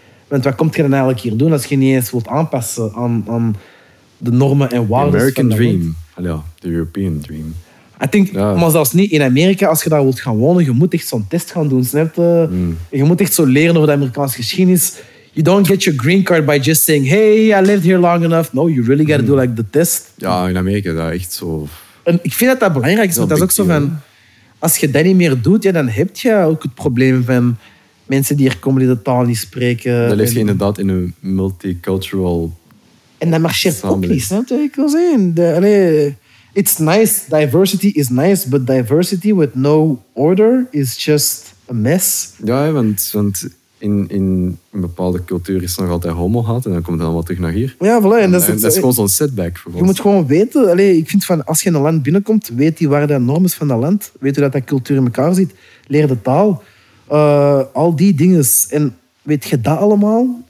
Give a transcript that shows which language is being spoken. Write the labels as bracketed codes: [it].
[nl] Want wat komt je dan eigenlijk hier doen als je niet eens wilt aanpassen aan de normen en waarden? [en] The American dream. Ja, the European dream. I think, ja. [nl] Maar zelfs niet in Amerika, als je daar wilt gaan wonen, je moet echt zo'n test gaan doen, snap je? Mm. Je moet echt zo leren over de Amerikaanse geschiedenis. [en] You don't get your green card by just saying, hey, I lived here long enough. No, you really gotta do like the test. [nl] Ja, in Amerika, dat is echt zo... En ik vind dat belangrijk is, want dat is ook zo van... Als je dat niet meer doet, ja, dan heb je ook het probleem van... Mensen die hier komen die de taal niet spreken. Dan leef je inderdaad in een multicultural... En dat marcheert ook niet, snap je? Ik wil zeggen, [en] it's nice, diversity is nice, but diversity with no order is just a mess. [nl] Ja, want in een bepaalde cultuur is het nog altijd homo-haat en dan komt het allemaal terug naar hier. Ja, voilà. En dat is gewoon zo'n setback voor ons. Je moet gewoon weten, ik vind van als je in een land binnenkomt, weet je waar de norm is van dat land. Weet je dat dat cultuur in elkaar zit? Leer de taal. Al die dingen. En weet je dat allemaal?